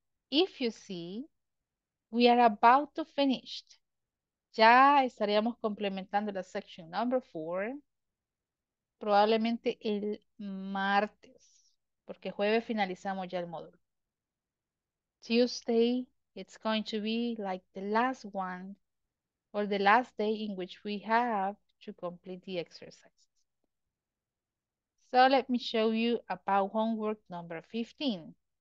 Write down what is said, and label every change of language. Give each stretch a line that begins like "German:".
English: If you see, we are about to finish.
Spanish: Ya estaríamos complementando la section number 4, probablemente el martes, porque jueves finalizamos ya el módulo.
English: Tuesday, it's going to be like the last one or the last day in which we have to complete the exercise. So let me show you about homework number 15.